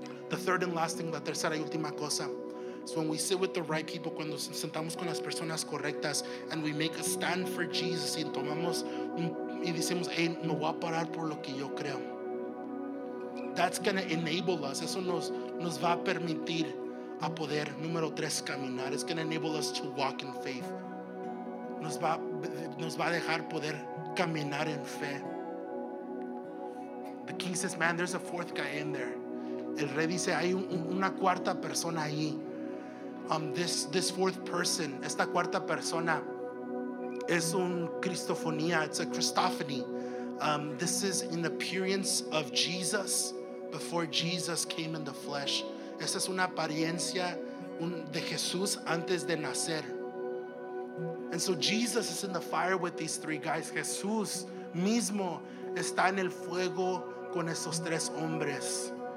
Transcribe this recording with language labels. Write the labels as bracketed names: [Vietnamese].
[English] The third and last thing, [Spanish] la tercera y última cosa, [English] is when we sit with the right people, [Spanish] cuando sentamos con las personas correctas, [English] and we make a stand for Jesus, [Spanish] y tomamos y decimos, hey, me voy a parar por lo que yo creo. [English] That's going to enable us. [Spanish] Eso nos va a permitir a poder, número tres, caminar. [English] It's going to enable us to walk in faith. [Spanish] Nos va a dejar poder caminar en fe. [English] The king says, man, there's a fourth guy in there. [Spanish] El rey dice, hay una cuarta persona ahí. [English] This fourth person, [Spanish] esta cuarta persona, es un cristofonía, [English] it's a Christophany. This is an appearance of Jesus before Jesus came in the flesh. [Spanish] Esta es una apariencia de Jesús antes de nacer. [English] And so Jesus is in the fire with these three guys. [Spanish] Jesús mismo está en el fuego con esos tres hombres.